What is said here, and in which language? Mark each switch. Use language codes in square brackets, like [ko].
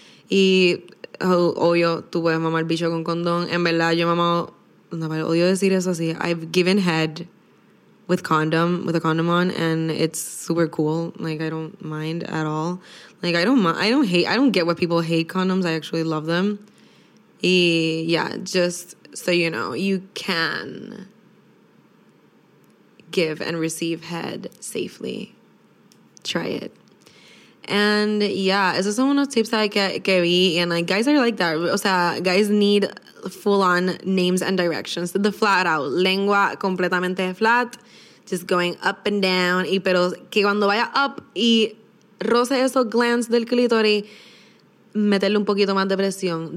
[es] Y obvio, tú puedes mamar bicho con condón. En verdad, yo mamo, no me odio decir eso así. [en] I've given head with a condom on, and it's super cool. Like, I don't mind at all. Like, I don't get what people hate condoms. I actually love them. Yeah, just so you know, you can give and receive head safely. Try it. And yeah, [es] esos son unos tips que vi, [en] and like, guys are like that. [es] O sea, [en] guys need full on names and directions. The flat out, [es] lengua completamente flat. [en] Just going up and down. [es] Y pero que cuando vaya up y roce esos glands del clítoris, meterle un poquito más de presión.